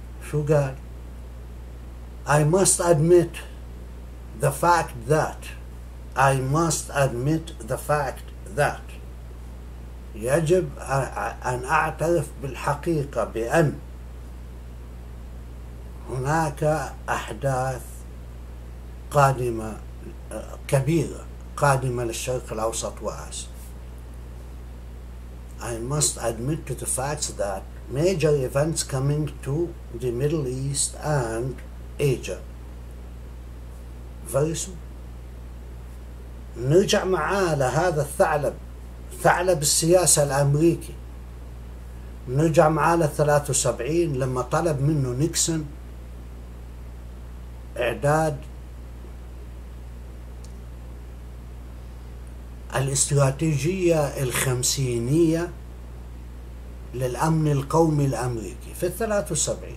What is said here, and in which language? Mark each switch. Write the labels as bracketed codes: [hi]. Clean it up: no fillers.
[ar] شو قال؟ [en] I must admit the fact that [ar] I must admit the fact that يجب أن أعترف بالحقيقة بأن هناك أحداث قادمة كبيرة قادمة للشرق الأوسط وآسيا. [en] I must admit to the facts that major events coming to the Middle East and Asia very soon. [ar] نرجع معاه لهذا الثعلب، ثعلب السياسة الأمريكي. نرجع معاه لـ73 لما طلب منه نيكسون إعداد الاستراتيجية الخمسينية للأمن القومي الأمريكي في الـ73.